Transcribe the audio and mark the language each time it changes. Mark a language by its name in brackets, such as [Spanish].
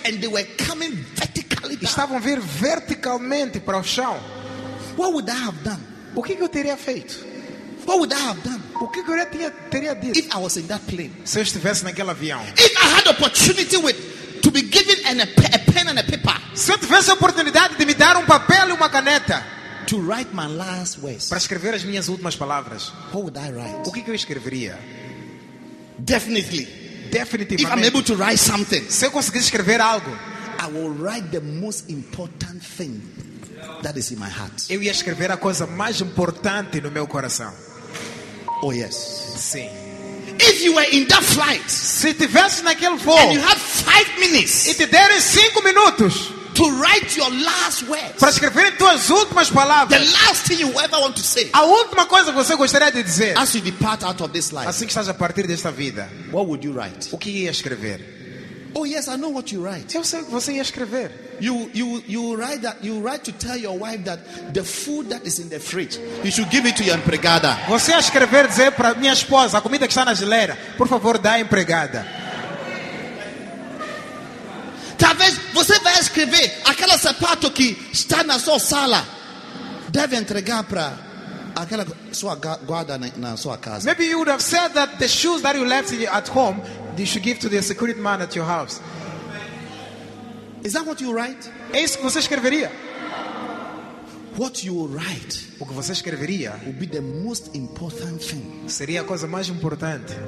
[English] and they were coming vertically down. [Portuguese] Estavam vir verticalmente para o chão. [English] What would I have done? [Portuguese] O que eu teria feito? [English] What would I have done? [Portuguese] O que eu teria dito? [English] If I was in that plane. [Portuguese] Se eu estivesse naquele avião. [English] If I had opportunity with to be given a pen and a paper. [Portuguese] Se eu tivesse a oportunidade de me dar papel e uma caneta. [English] To write my last words. [Portuguese] Para escrever as minhas últimas palavras. [English] What would I write? [Portuguese] O que eu escreveria? [English] Definitely. [Portuguese] Definitivamente. [English] If I'm able to write something. [Portuguese] Se eu conseguisse escrever algo. [English] I will write the most important thing that is in my heart. [Portuguese] Eu ia escrever a coisa mais importante no meu coração. [English] Oh yes. [Portuguese] Sim. [English] If you were in that flight, [Portuguese] se tivesse naquele voo, [English] and you had 5 minutes, [Portuguese] e te deres 5 minutos, [English] to write your last words, [Portuguese] para escrever tuas últimas palavras, [English] the last thing you ever want to say, [Portuguese] a última coisa que você gostaria de dizer, [English] as you depart out of this life, [Portuguese] assim que estás a partir desta vida, [English] what would you write? [Portuguese] O que ia escrever? [English] Oh yes, I know what you write. [Portuguese] Eu sei que você ia escrever. [English] You write to tell your wife that the food that is in the fridge, you should give it to your empregada. [Portuguese] Você ia escrever dizer para minha esposa, a comida que está na geladeira, por favor, dá à empregada. Talvez você vai escrever aquela sapato que está na sua sala, deve entregar para aquela sua guarda na sua casa. [English] Maybe you would have said that the shoes that you left at home, you should give to the security man at your house. Is that what you write? [Portuguese] É isso que você escreveria? [English] What you write? [Portuguese] O que você escreveria? [English] Would be the most important thing. [Portuguese] Seria a coisa mais importante